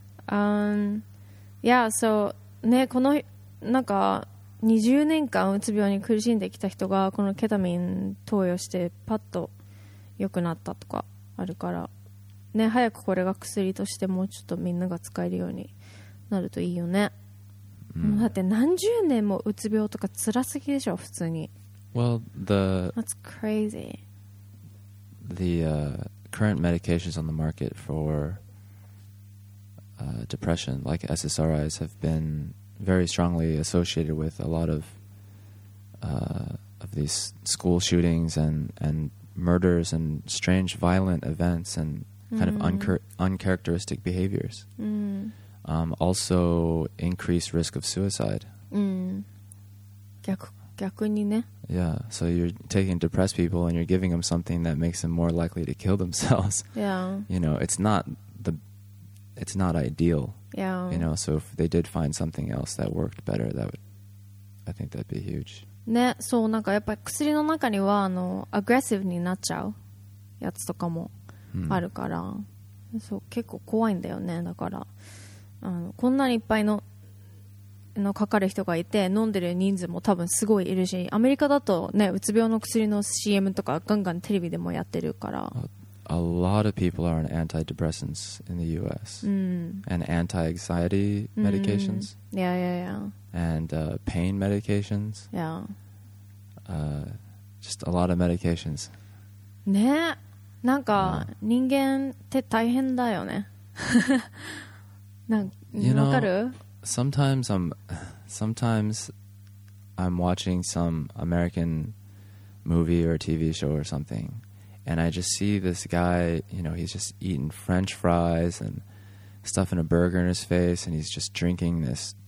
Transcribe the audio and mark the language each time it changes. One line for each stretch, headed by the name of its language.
English: Yeah, so
Japanese: ね、このなんか20年間うつ病に苦しんできた人がこのケタミン投与してパッと良くなったとかあるから、ね、早くこれが薬としてもうちょっとみんなが使えるようになるといいよね、うん、もうだって何十年もうつ病とか辛すぎでしょ普通に。
English: Well, the That's crazy. The、current medications on the market for、depression like SSRIs have been very strongly associated with a lot of、of these school shootings and murders and strange violent events and kind、mm-hmm. of uncharacteristic behaviors、 mm. Also increased risk of suicide、
Japanese: mm. 逆にね
English: Yeah, so you're taking depressed people and you're giving them something that makes them more likely to kill themselves. Yeah. You know, it's not ideal. Yeah. You know, so if they did find something else that worked better, that would, I think that'd be huge.
Japanese: ね、そうなんかやっぱり薬の中にはアグレッシブになっちゃうやつとかもあるから、うん、そう結構怖いんだよね。だからこんなにいっぱいのかかる人がいて飲んでる人数も多分すごいいるし、アメリカだと、ね、うつ病の薬の CM とかガンガンテレビでもやってるから。
English: A lot of people are on antidepressants in the US、うん、 and anti-anxiety medications、うん、yeah yeah yeah And、pain medications. Yeah. Just a lot of medications.
Japanese: ね、なんか人間って大変だよね。なんか、
English: you know,
Japanese: わかる?
English: Sometimes I'm watching some American movie or TV show or something, and I just see this guy. You know, he's just eating French fries and stuff in a burger in his face, and he's just drinking this.